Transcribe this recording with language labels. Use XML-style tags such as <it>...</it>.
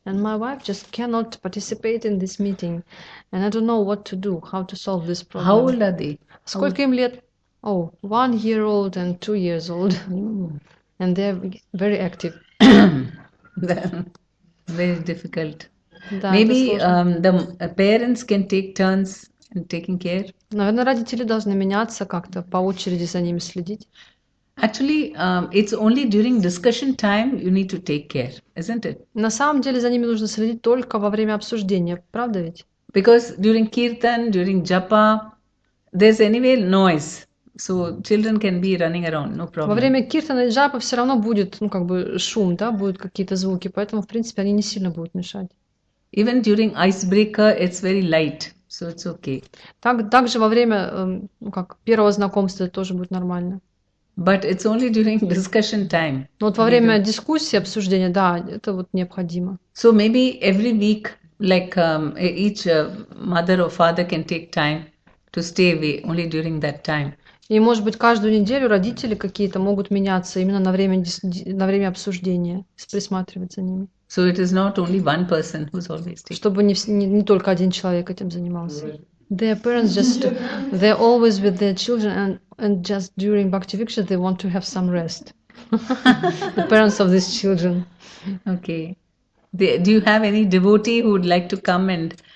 <en>And my wife just cannot participate in this meeting. And I don't know what to do, how to solve this problem. How old are they?</en> <ru>Сколько им лет?</ru> <en>Oh, 1 year old and 2 years old. And they are very active. Very difficult. Maybe the parents can take turns in taking care.</en> <ru>Наверное, родители должны меняться как-то, по очереди за ними следить.</ru> <en>Actually, it's only during discussion time you need to take care, isn't it?</en> <ru>На самом деле за ними нужно следить только во время обсуждения, правда ведь?</ru> <en>Because during kirtan, during japa, there's anyway noise. So children can be running around, no problem.</en> <ru>Во время киртана и джапа все равно будет, ну как бы шум, да, будут какие-то звуки, поэтому в принципе они не сильно будут мешать.</ru> <en>Even during icebreaker, it's very light, so it's okay.</en> <ru>Также во время, ну как первого знакомства тоже будет нормально.</ru> <en>But it's only during discussion time.</en> <ru>Но вот во время дискуссии, обсуждения, да, это вот необходимо.</ru> <en>So maybe every week, like each mother or father can take time to stay away only during that time.</en> <ru>И, может быть, каждую неделю родители какие-то могут меняться именно на время обсуждения, присматривать за ними.</ru> <en>So it is not only one person who's always taking.</en> <ru>Чтобы не только один человек этим занимался.</ru> <en>Their parents just, they're always with their children and just during Bhakti Viksha they want to have some rest. The parents of these children. Okay. Do you have any devotee who would like to come and</en>